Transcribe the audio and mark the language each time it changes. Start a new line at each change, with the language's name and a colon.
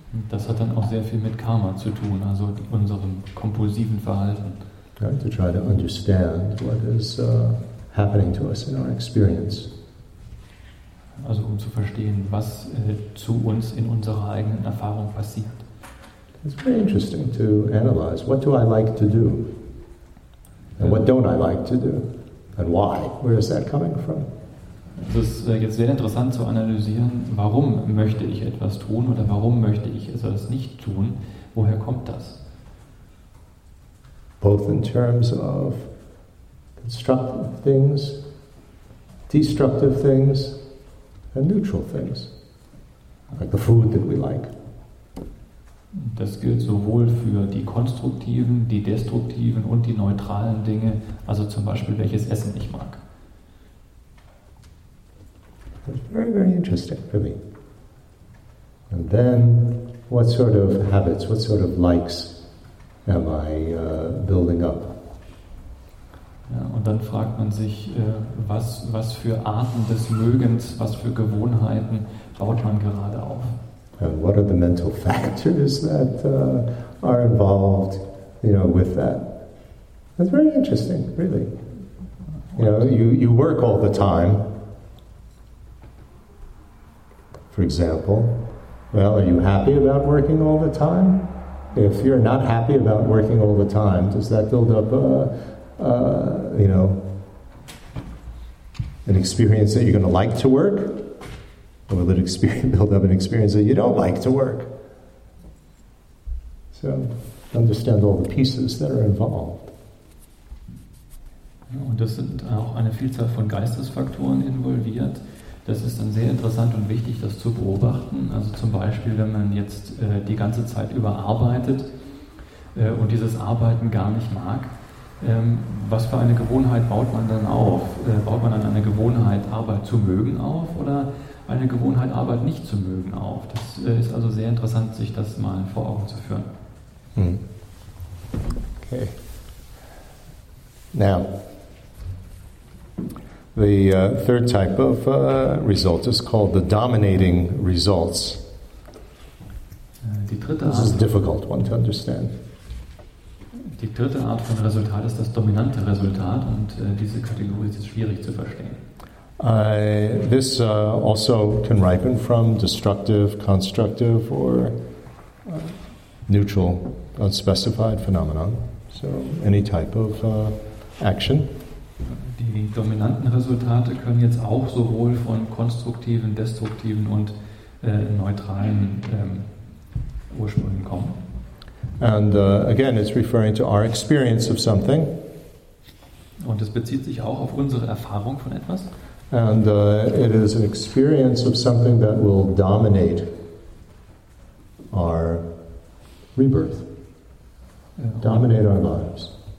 German: Das hat dann auch sehr viel mit Karma zu tun, also unserem kompulsiven Verhalten.
English: Right, to try to understand what is happening to us in our experience.
German: Also um zu verstehen, was zu uns in unserer eigenen Erfahrung passiert.
English: It's very interesting to analyze. What do I like to do? And what don't I like to do? And why? Where is that coming from?
German: Es ist jetzt sehr interessant zu analysieren, warum möchte ich etwas tun oder warum möchte ich es also nicht tun? Woher kommt das?
English: Both in terms of constructive things, destructive things, and neutral things, like the food that we like.
German: Das gilt sowohl für die konstruktiven, die destruktiven und die neutralen Dinge, also zum Beispiel welches Essen ich mag.
English: It's very, very interesting for me. And then, what sort of habits, what sort of likes am I building up?
German: Ja, und dann fragt man sich, was für Arten des Mögens, was für Gewohnheiten baut man gerade auf?
English: And what are the mental factors that are involved, you know, with that? That's very interesting, really. You know, you work all the time. For example, well, are you happy about working all the time? If you're not happy about working all the time, does that build up an experience that you're going to like to work? Or will it build up an experience that you don't like to work? So, understand all the pieces that are involved.
German: Ja, und das sind auch eine Vielzahl von Geistesfaktoren involviert. Das ist dann sehr interessant und wichtig, das zu beobachten. Also zum Beispiel, wenn man jetzt die ganze Zeit über arbeitet und dieses Arbeiten gar nicht mag, was für eine Gewohnheit baut man dann auf? Baut man dann eine Gewohnheit, Arbeit zu mögen auf oder eine Gewohnheit, Arbeit nicht zu mögen auf? Das ist also sehr interessant, sich das mal vor Augen zu führen.
English: Okay. Now, the third type of result is called the dominating results.
German: Die dritte
English: Art, this is a difficult one to understand.
German: Die dritte Art von Resultat ist das dominante Resultat, und diese Kategorie ist schwierig zu verstehen.
English: This also can ripen from destructive, constructive, or neutral, unspecified phenomenon. So any type of action.
German: Die dominanten Resultate können jetzt auch sowohl von konstruktiven, destruktiven und neutralen Ursprüngen kommen.
English: And again, it's referring to our experience of something.
German: Und es bezieht sich auch auf unsere Erfahrung von etwas.
English: And it is an experience of something that will dominate our rebirth, dominate our lives.